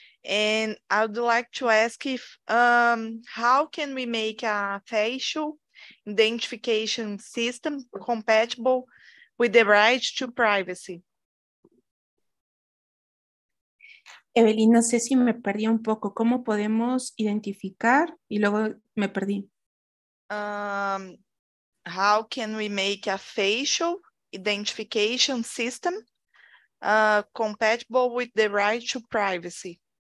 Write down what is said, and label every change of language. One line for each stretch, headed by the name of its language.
English: And I would like to ask if how can we make a facial identification system compatible with the right to privacy?
Spanish: Evelyn, no sé si me perdí un poco. ¿Cómo podemos identificar? Y luego me perdí.
English: How can we make a facial identification system compatible with the right to privacy?